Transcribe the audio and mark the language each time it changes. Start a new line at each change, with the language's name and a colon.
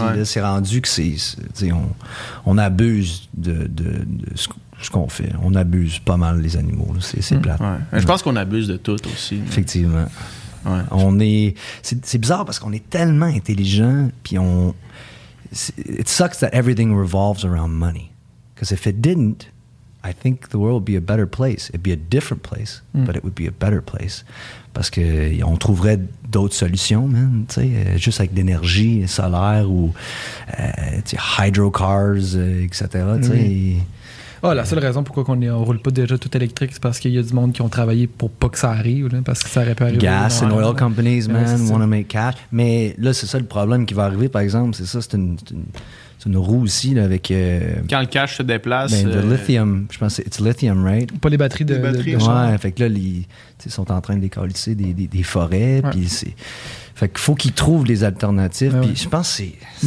French: Ouais. Là, c'est rendu que c'est on abuse de ce qu'on fait. On abuse pas mal les animaux. Là, c'est plate. Ouais. Ouais. Je pense qu'on abuse de tout aussi. Effectivement. Ouais. C'est bizarre parce qu'on est tellement intelligent, puis on...
English: It sucks that everything revolves around money. Because if it didn't, I think the world would be a better place. It'd be a different place, but it would be a better place.
French: Parce qu'on trouverait d'autres solutions, man, tu sais, juste avec l'énergie solaire ou, tu sais, hydro cars, etc., tu sais. La seule raison pourquoi on roule pas déjà tout électrique, c'est parce qu'il y a du monde qui ont travaillé pour pas que ça arrive, là, parce que ça aurait pu arriver.
English: Gas and oil companies, man, want to make cash.
French: Mais là, c'est ça le problème qui va arriver, par exemple, c'est ça, c'est une roue aussi là, avec... Quand le cash se déplace... Ben, le lithium, je pense que c'est lithium, right? Pas les batteries de... Les batteries, de ouais, fait que là, ils sont en train de décalisser des forêts, puis c'est... Fait qu'il faut qu'ils trouvent des alternatives, puis je pense que c'est...